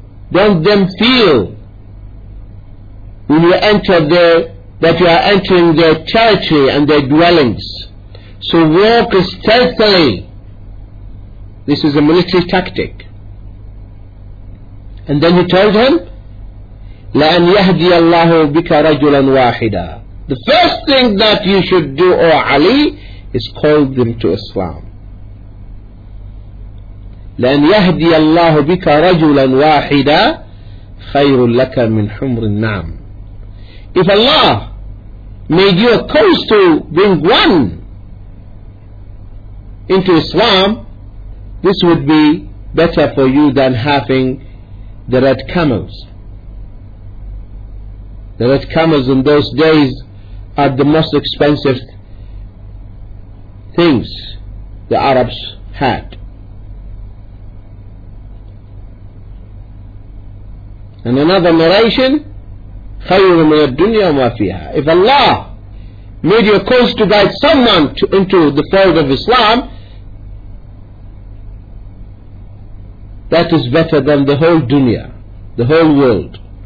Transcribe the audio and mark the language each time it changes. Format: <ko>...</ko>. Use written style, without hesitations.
<en>Don't them feel when you enter their, that you are entering their territory and their dwellings. So walk stealthily." This is a military tactic. And then he told him,</en> <ar>"لَأَنْ يَهْدِيَ اللَّهُ بِكَ رَجُلًا وَاحِدًا."</ar> <en>The first thing that you should do, O Ali, is call them to Islam.</en> <ar>لَأَنْ يَهْدِيَ اللَّهُ بِكَ رَجُلًا وَاحِدًا خَيْرٌ لَكَ مِنْ حُمْرِ النَّعْمِ.</ar> <en>If Allah made you a cause to bring one into Islam, this would be better for you than having the red camels. The red camels in those days are the most expensive things the Arabs had. And another narration,</en> <ar>خَيْرٌ مِنَ الدُّنْيَا مَا فِيهَا.</ar> <en>If Allah made your cause to guide someone to, into the fold of Islam, that is better than the whole dunya, the whole world.</en>